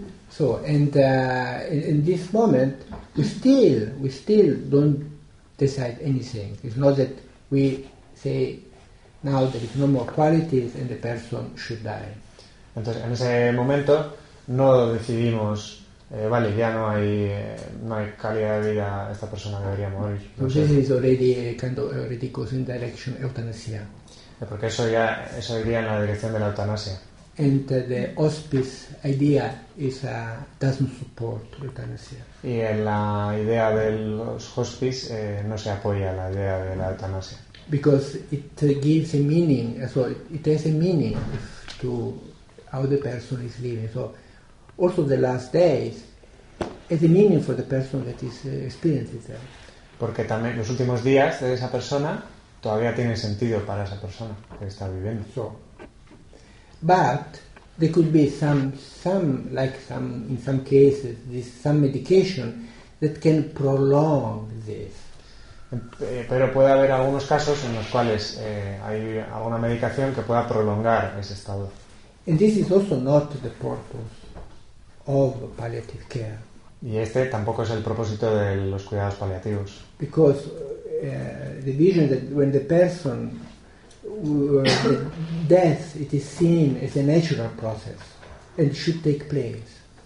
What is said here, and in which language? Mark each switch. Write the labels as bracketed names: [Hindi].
[English] So and in this moment we still don't decide anything. It's not that we say now there is no more qualities and the person should die. [Spanish] Entonces, en ese momento no decidimos, vale, ya no hay, no hay calidad de vida, esta persona debería morir. Entonces es [English] already kind of already goes in direction eutanasia. [Spanish] Porque eso ya, eso iría en la dirección de la eutanasia. [English] And the hospice idea is doesn't support euthanasia. [Spanish] Y en la idea del hospice no se apoya la idea de la eutanasia. [English] Because it gives a meaning, so it has a meaning to how the person is living. So also the last days has a meaning for the person that is experiencing it. [Spanish] Porque también los últimos días de esa persona todavía tiene sentido para esa persona que está viviendo. [English] So, but there could be some in some cases this some medication that can prolong this. [Spanish] Pero puede haber algunos casos en los cuales hay alguna medicación que pueda prolongar ese estado. [English] And this is also not the purpose of palliative care. [Spanish] Y este tampoco es el propósito de los cuidados paliativos. [English] Because the vision that when the person the death, it is seen as a natural process and should take place.